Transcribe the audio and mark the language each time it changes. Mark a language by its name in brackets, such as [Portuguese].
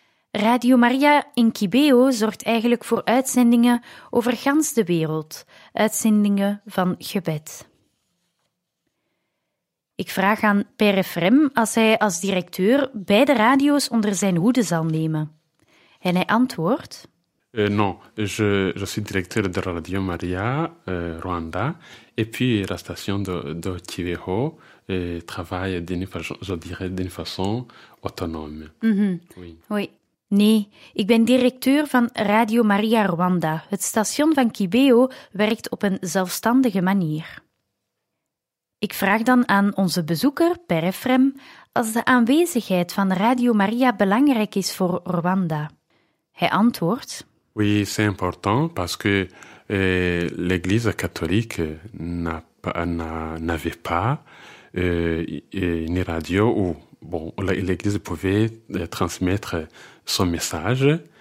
[Dutch] Radio Maria in Kibeo zorgt eigenlijk voor uitzendingen over gans de wereld, uitzendingen van gebed. Ik vraag aan Père Ephrem als hij als directeur beide radio's onder zijn hoede zal nemen. En hij antwoordt: [French] Non, je suis directeur de Radio Maria Rwanda et puis la station de Kibeho travaille d'une façon autonome. [Dutch] Mm-hmm. Oui. Nee, ik ben directeur van Radio Maria Rwanda. Het station van Kibeo werkt op een zelfstandige manier. Ik vraag dan aan onze bezoeker, Père Ephrem, als de aanwezigheid van Radio Maria belangrijk is voor Rwanda. Hij antwoordt: [French] Oui, c'est important parce que l'Église catholique n'avait pas une radio où l'Église pouvait transmettre son message.